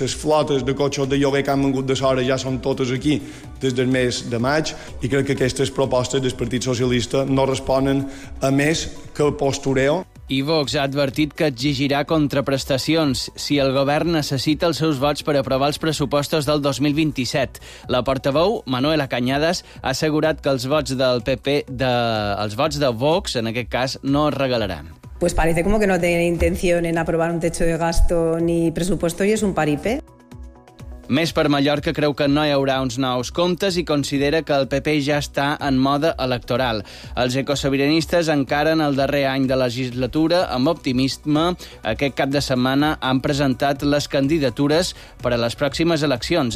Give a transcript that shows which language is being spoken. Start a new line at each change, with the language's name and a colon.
Catalan: Les flotes de cotxos de lloguer que han vingut de sora ja són totes aquí des del mes de maig i crec que aquestes propostes del Partit Socialista no responen a més que postureo. I Vox ha advertit que exigirà contraprestacions si el govern necessita els seus vots per aprovar els pressupostos del 2027. La portaveu, Manuela Cañadas, ha assegurat que els vots del PP, els vots de Vox, en aquest cas, no es regalaran.
Spanish: Pues parece como que no tiene intención en aprobar un techo de gasto ni presupuesto y es un paripé.
Catalan: Més per Mallorca, creu que no hi haurà uns nous comptes i considera que el PP ja està en mode electoral. Els ecosobiranistes encaren el darrer any de legislatura amb optimisme. Aquest cap de setmana han presentat les candidatures per a les pròximes eleccions.